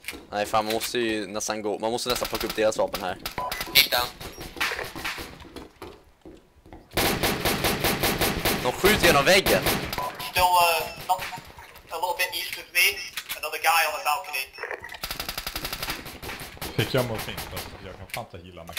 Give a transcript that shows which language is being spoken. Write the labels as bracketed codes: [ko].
[sv] Nej fan, man måste ju nästan gå. Man måste nästan plocka upp deras vapen här. De skjuter genom väggen. [en] Still not a little bit east of me. Another guy on the balcony. [sv] Fick jag mot fint alltså. Jag kan fan inte gilla mig.